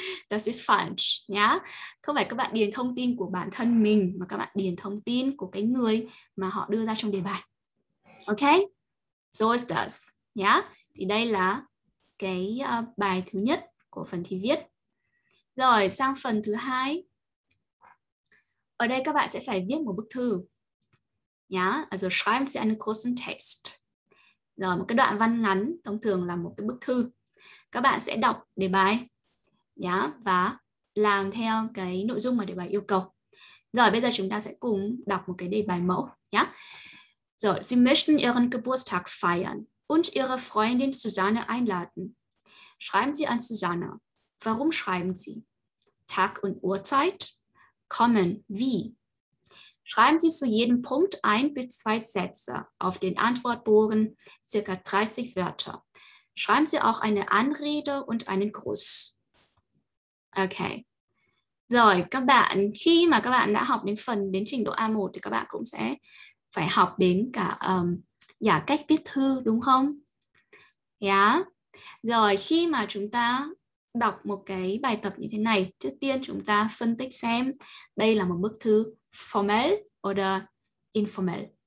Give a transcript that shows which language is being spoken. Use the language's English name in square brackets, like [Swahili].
[English] That's it fun, [Vietnamese] Không phải các bạn điền thông tin của bản thân mình, mà các bạn điền thông tin của cái người mà họ đưa ra trong đề bài. Ok? [English] So it does, [Vietnamese] Thì đây là cái bài thứ nhất của phần thi viết. Rồi, sang phần thứ hai. Ở đây các bạn sẽ phải viết một bức thư. [German] Yeah, also schreiben Sie einen großen Text. [Vietnamese] Rồi, một cái đoạn văn ngắn, thông thường là một cái bức thư. Các bạn sẽ đọc đề bài, yeah, và làm theo cái nội dung mà đề bài yêu cầu. Rồi, bây giờ chúng ta sẽ cùng đọc một cái đề bài mẫu. Yeah. [German] Rồi, Sie möchten Ihren Geburtstag feiern und Ihre Freundin Susanne einladen. Schreiben Sie an Susanne. Warum schreiben Sie? Tag und Uhrzeit? Kommen, wie? Schreiben Sie zu jedem Punkt ein bis zwei Sätze, auf den Antwortbogen circa 30 Wörter. Schreiben Sie auch eine Anrede und einen Gruß. Okay. [Vietnamese] Rồi, các bạn, khi mà các bạn đã học đến phần đến trình độ A1 thì các bạn cũng sẽ phải học đến cả cách viết thư, đúng không? Yeah. Rồi, khi mà chúng ta đọc một cái bài tập như thế này, trước tiên chúng ta phân tích xem đây là một bức thư [English] formal or informal.